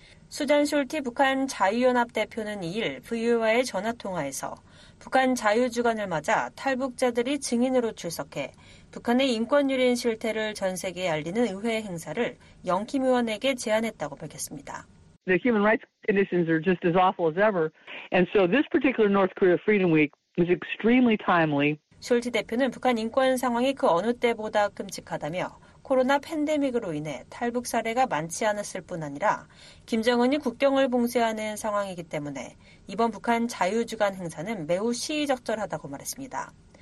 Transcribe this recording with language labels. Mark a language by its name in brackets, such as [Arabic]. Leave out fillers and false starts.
[Korean] 수잔 숄티 북한 자유연합 대표는 2일 VOA 전화통화에서 북한 자유주간을 맞아 탈북자들이 증인으로 출석해 북한의 인권유린 실태를 전 세계에 알리는 의회 행사를 영킴 의원에게 제안했다고 밝혔습니다. [English] The human rights conditions are just as awful as ever. And so this particular North Korea Freedom Week is extremely timely. [Korean] 숄티 대표는 북한 인권 상황이 그 어느 때보다 끔찍하다며 코로나 팬데믹으로 인해 탈북 사례가 많지 않았을 뿐 아니라 김정은이 국경을 봉쇄하는 상황이기 때문에 이번 북한 자유주간 행사는 매우 시의적절하다고 말했습니다.